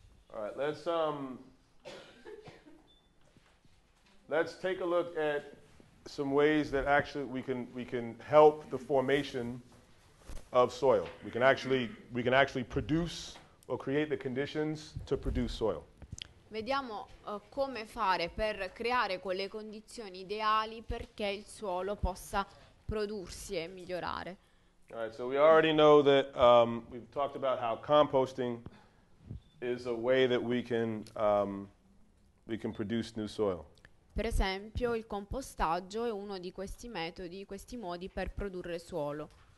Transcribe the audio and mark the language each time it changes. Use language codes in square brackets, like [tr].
[en] All right, let's take a look at some ways that actually we can help the formation of soil. We can actually produce or create the conditions to produce soil. [it] Vediamo come fare per creare quelle condizioni ideali perché il suolo possa prodursi e migliorare. [en] All right, so we already know that we've talked about how composting is a way that we can produce new soil. [it] Per esempio, il compostaggio è uno di questi metodi, questi modi per produrre suolo.